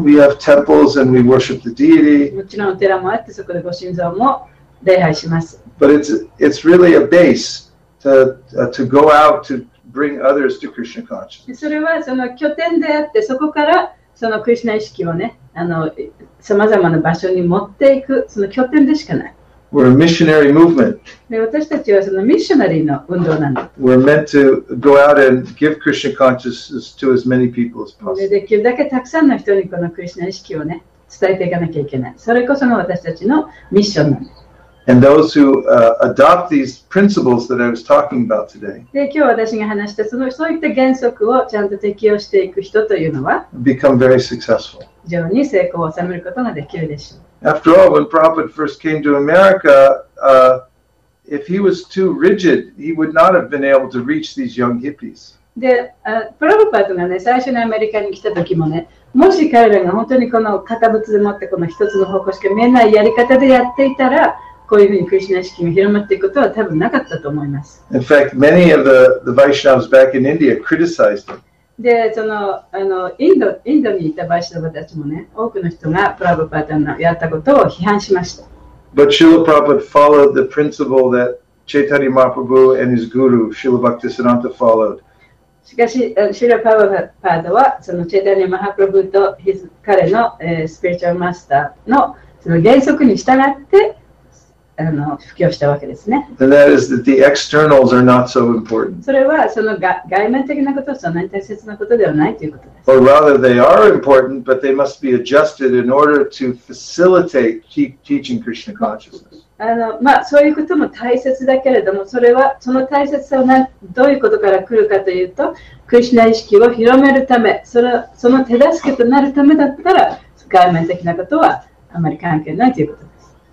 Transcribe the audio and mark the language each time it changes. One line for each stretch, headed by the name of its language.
English: We have temples and we worship the deity.
Japanese: もちろんお寺もあってそこでご神像も礼拝します。
English: But it's really a base to go out to bring others to Krishna consciousness.
Japanese: それはその拠点であってそこからそのクリシナ意識をね、さまざまな場所に持っていくその拠点でしかない。
English: We're a missionary movement.
Japanese: で私たちはそのミッショナリーの運動なんだ。
English: We're meant to go out and give Krishna consciousness to as many people as possible.
Japanese: できるだけたくさんの人にこのクリシナ意識をね、伝えていかなきゃいけない。それこそが私たちのミッションなんだ。
English: And those who adopt these principles that I was talking about today.
Japanese: で今日私が話したそのそういった原則をちゃんと適用していく人というのは、
English: become very successful.
Japanese: 非常に成功を収めることができるでしょう。
English: After all, when Prabhupada first came to America, if he was too rigid, he would not have been able to reach these young hippies.
Japanese: で、プラブパートがね、最初にアメリカに来た時もね、もし彼らが本当にこの堅物でもってこの一つの方向しか見えないやり方でやっていたら、こういうふうにクリシナ意識が広まっていくことは多分なかったと思います。
English: In fact, many of the Vaishnavas back in India criticized him.
Japanese: でそのインドにいたバイシナバたちもね、多くの人がプラブパーダのやったことを批判しました。
English: But Srila Prabhupada followed the principle that Chaitanya Mahaprabhu and his guru, Srila Bhaktisiddhanta followed.
Japanese: しかし、Srila Prabhupada は、その Chaitanya Mahaprabhu と彼の、スピリチュアルマスターの、 その原則に従って、布教したわけですね。
English: And that is that the externals are not so important.
Japanese: それはその外面的なことはそんなに大切なことではないということです。
English: Or rather, they are important, but they must be adjusted in order to facilitate teaching Krishna consciousness.
Japanese: まあ、そういうことも大切だけれども、それはその大切さはどういうことから来るかというと、クリシナ意識を広めるため、その手助けとなるためだったら、外面的なことはあまり関係ないということです。